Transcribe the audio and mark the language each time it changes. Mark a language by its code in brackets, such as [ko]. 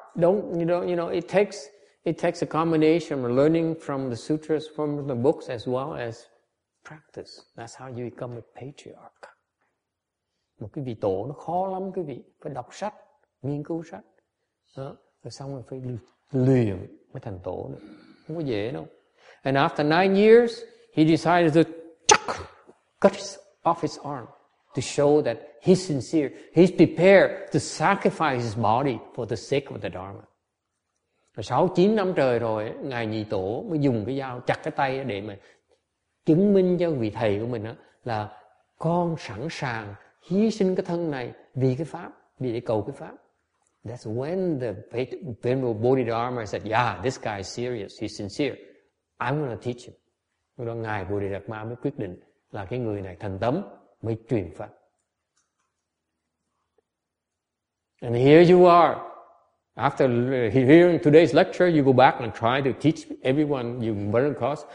[en] It takes a combination of learning from the sutras, from the books, as well as practice. That's how you become a patriarch. [vi] Một cái vị tổ nó khó lắm, quý vị. Phải đọc sách, nghiên cứu sách. Rồi xong rồi phải luyện mới thành tổ được. Không có dễ đâu. [en] And after 9 years, he decided to cut off his arm to show that he's sincere. He's prepared to sacrifice his body for the sake of the Dharma. [vi] 6-9 năm trời rồi, Ngài Nhị Tổ mới dùng cái dao chặt cái tay để mà chứng minh cho vị thầy của mình là con sẵn sàng hy sinh cái thân này vì cái pháp, vì để cầu cái pháp. [en] That's when the Venerable Bodhidharma said, yeah, this guy is serious, he's sincere. I'm going to teach him. [vi] Rồi đó Ngài Bồ Đề Đạt Ma mới quyết định là cái người này thành tấm mới truyền pháp. [en] And here you are. After hearing today's lecture, you go back and try to teach everyone you run across.